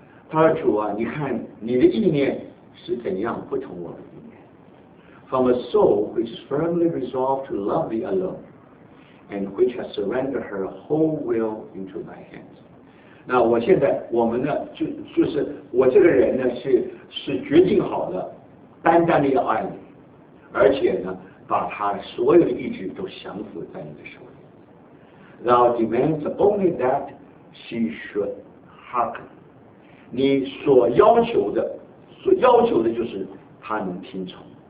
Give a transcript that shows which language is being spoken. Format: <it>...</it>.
<zh>他说主啊，你看你的意念是怎样不同我的意念。</zh> <en>From a soul which is firmly resolved to love thee alone and which has surrendered her whole will into thy hands。</en> <zh>那我现在我们呢 就是我这个人呢是决定好的单单的要爱你，而且呢把他所有的意志都降服在你的手里。</zh> <en>Thou demands only that she should hearken，</en> <zh>你所要求的所要求的就是他能听从。</zh>